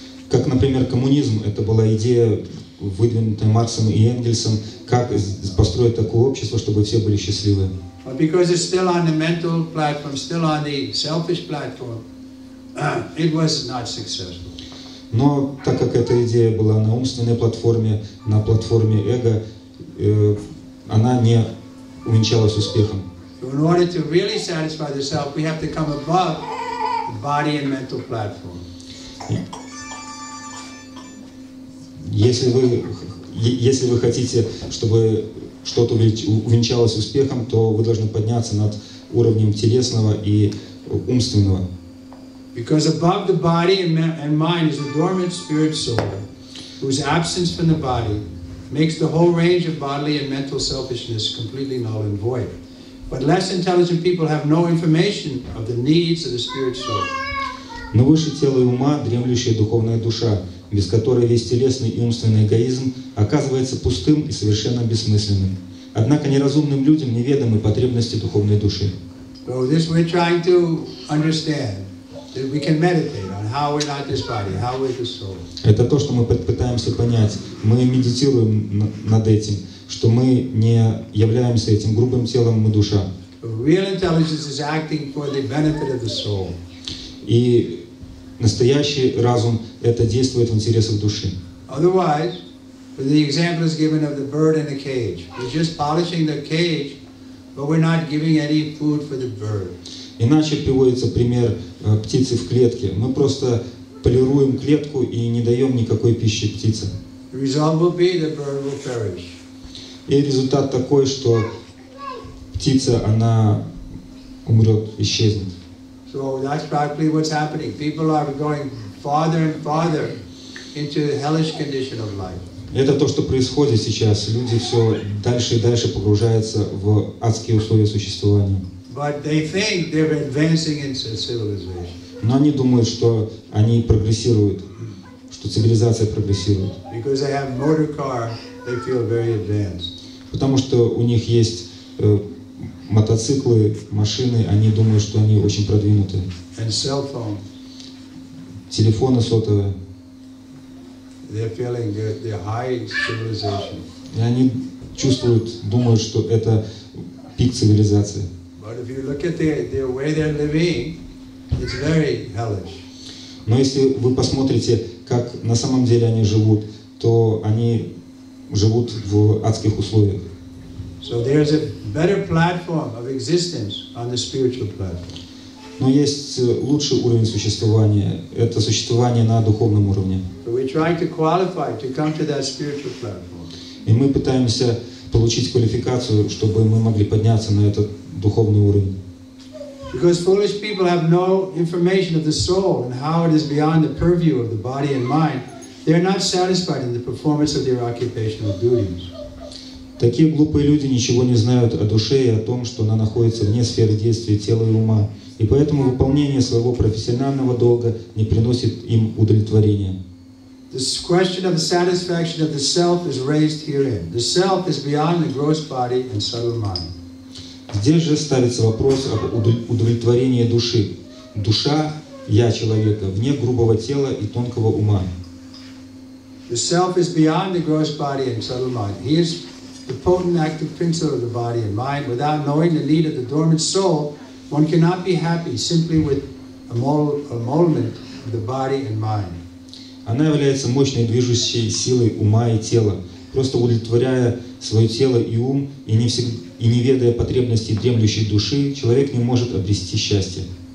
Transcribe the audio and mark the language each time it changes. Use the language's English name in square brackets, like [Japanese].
[Russian] Как, например, коммунизм, это была идея, выдвинутая Марксом и Энгельсом, как построить такое общество, чтобы все были счастливы. [English] But because it's still on the mental platform, still on the selfish platform, it was not successful. [Russian] Но так как эта идея была на умственной платформе, на платформе эго, она не увенчалась успехом. [English] In order to really satisfy the self, we have to come above the body and mental platform. [Russian] Если вы хотите, чтобы что-то увенчалось успехом, то вы должны подняться над уровнем телесного и умственного. [English] Because above the body and mind is a dormant spirit soul. whose absence from the body makes the whole range of bodily and mental selfishness completely null and void. But less intelligent people have no information of the needs of the spirit soul. [Russian] Но выше тела и ума дремлющая духовная душа, без которой весь телесный и умственный эгоизм оказывается пустым и совершенно бессмысленным. Однако неразумным людям неведомы потребности духовной души. [English] So this we're trying to understand. That we can meditate on how we're not this body, how we're the soul. [Russian] Это то, что мы пытаемся понять. Мы медитируем над этим, что мы не являемся этим грубым телом, мы душа. [English] Real intelligence is acting for the benefit of the soul. [Russian] И настоящий разум это действует в интересах души. [English] Otherwise, when the example is given of the bird in the cage, we're just polishing the cage, but we're not giving any food for the bird. [Russian] Иначе приводится пример птицы в клетке. Мы просто полируем клетку и не даем никакой пищи птице. [English] The result will be the bird will perish. [Russian] И результат такой, что птица, она умрет, исчезнет. [English] So that's practically what's happening. People are going farther and farther into the hellish condition of life. [Russian] Это то, что происходит сейчас. Люди все дальше и дальше погружаются в адские условия существования. [English] But they think they're advancing into civilization. [Russian] Но они думают, что они прогрессируют, что цивилизация прогрессирует. [English] Because they have motor car, they feel very advanced. [Russian] Потому что у них есть мотоциклы, машины, они думают, что они очень продвинуты. [English] And cell phone. [Russian] Телефоны сотовые. [English] They're feeling the high civilization. [Russian] И они чувствуют, думают, что это пик цивилизации. [English] But if you look at the way they're living, it's very hellish. [Russian] Но если вы посмотрите, как на самом деле они живут, то они живут в адских условиях. [English] So there's a better platform of existence on the spiritual platform. [Russian] Но есть лучший уровень существования. Это существование на духовном уровне. [English] So we're trying to qualify to come to that spiritual platform. [Russian] И мы пытаемся получить квалификацию, чтобы мы могли подняться на этот духовный уровень. [English] Because foolish people have no information of the soul and how it is beyond the purview of the body and mind, they are not satisfied in the performance of their occupational duties. [Russian] Такие глупые люди ничего не знают о душе и о том, что она находится вне сферы действия тела и ума, и поэтому выполнение своего профессионального долга не приносит им удовлетворения. [English] This question of the satisfaction of the self is raised herein. The self is beyond the gross body and subtle mind. [Russian] Здесь же ставится вопрос об удовлетворении души. Душа, я человека, вне грубого тела и тонкого ума. [English] The self is beyond the gross body and subtle mind. He is the potent active principle of the body and mind. Without knowing the need of the dormant soul, one cannot be happy simply with emolument of the body and mind. [Russian] Она является мощной движущей силой ума и тела. Просто удовлетворяя свое тело и ум, и не ведая потребностей дремлющей души, человек не может обрести счастье.